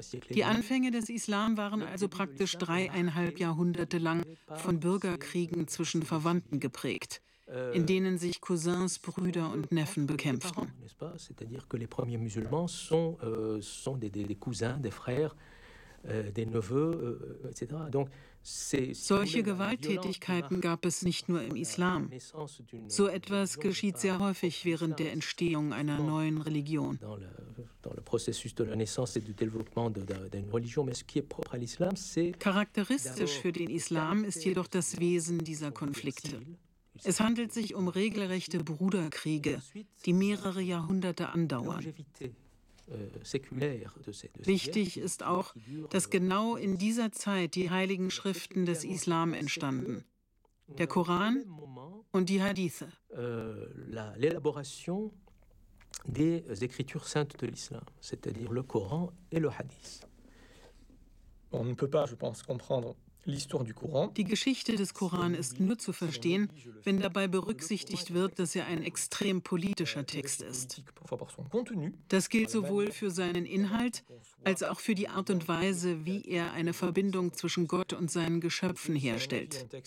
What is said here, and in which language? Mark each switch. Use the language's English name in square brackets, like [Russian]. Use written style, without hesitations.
[German] Die Anfänge des Islam waren also praktisch 3,5 Jahrhunderte lang von Bürgerkriegen zwischen Verwandten geprägt, in denen sich Cousins, Brüder und Neffen bekämpften. [French] C'est-à-dire que les premiers musulmans sont des cousins, des frères, des neveux, etc. Donc [German] solche Gewalttätigkeiten gab es nicht nur im Islam. So etwas geschieht sehr häufig während der Entstehung einer neuen Religion. [French] Dans le processus de la naissance et du développement d'une religion, mais ce qui est propre à l'islam, c'est [German] charakteristisch für den Islam ist jedoch das Wesen dieser Konflikte. Es handelt sich um regelrechte Bruderkriege, die mehrere Jahrhunderte andauern. Wichtig ist auch, dass genau in dieser Zeit die heiligen Schriften des Islam entstanden, der Koran und die Hadithe. [French] L'élaboration des écritures saintes de l'islam, c'est-à-dire le Coran et le Hadith. On ne peut pas, je pense, comprendre. [German] Die Geschichte des Koran ist nur zu verstehen, wenn dabei berücksichtigt wird, dass er ein extrem politischer Text ist. Das gilt sowohl für seinen Inhalt als auch für die Art und Weise, wie er eine Verbindung zwischen Gott und seinen Geschöpfen herstellt.